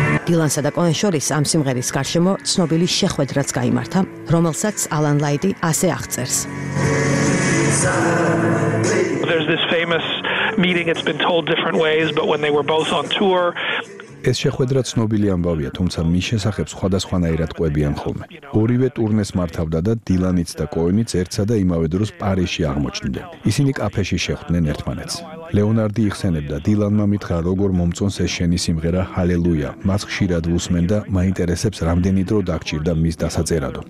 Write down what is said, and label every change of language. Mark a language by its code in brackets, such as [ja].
[ka] დილანსა და კოენ შორის ამ სიმღერის გარშემო ცნობილი შეხვედრაც გამართა, რომელსაც ალან ლაიტი ასე აღწერს. [en] There's this famous meeting, it's been told different ways, but when they were both on tour. [ka] ეს შეხვედრა ცნობილი ამბავია, თუმცა მის შესახებ სხვადასხვანაირად ყვებიან ხოლმე. ორივე ტურნეს მართავდა და დილანიც და კოენიც ერთსა და იმავე დროს პარიზში აღმოჩნდნენ. ისინი კაფეში შეხვდნენ ერთმანეთს. ლეონარდი იხსენებდა, დილანმა მითხრა, როგორ მომწონს ეს შენი სიმღერა ჰალელუია, მას ხშირად უსმენ და მაინტერესებს რამდენი დრო დაგჭირდა მის დასაწერადო.